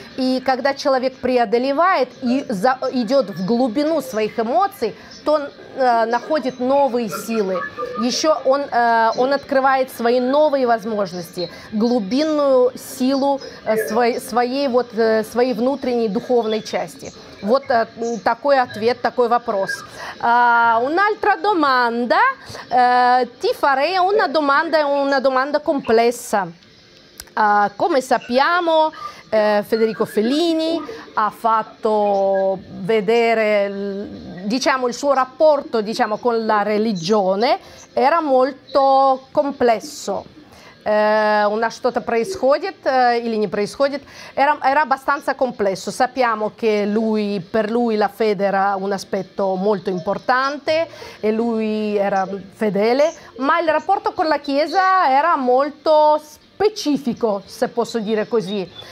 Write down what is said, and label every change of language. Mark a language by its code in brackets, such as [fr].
[ru] И когда человек преодолевает и идет в глубину своих эмоций, то он находит новые силы. Еще он открывает свои новые возможности, глубинную силу своей внутренней духовной части. Вот такой ответ, такой вопрос. [it] Un'altra domanda, ti farei una domanda complessa. Come sappiamo, Federico Fellini ha fatto vedere, diciamo, il suo rapporto, diciamo, con la religione era molto complesso. [ru] У нас что-то происходит или не происходит, [it] era abbastanza complesso. Sappiamo che lui, per lui la fede era un aspetto molto importante e lui era fedele, ma il rapporto con la Chiesa era molto specifico, se posso dire così.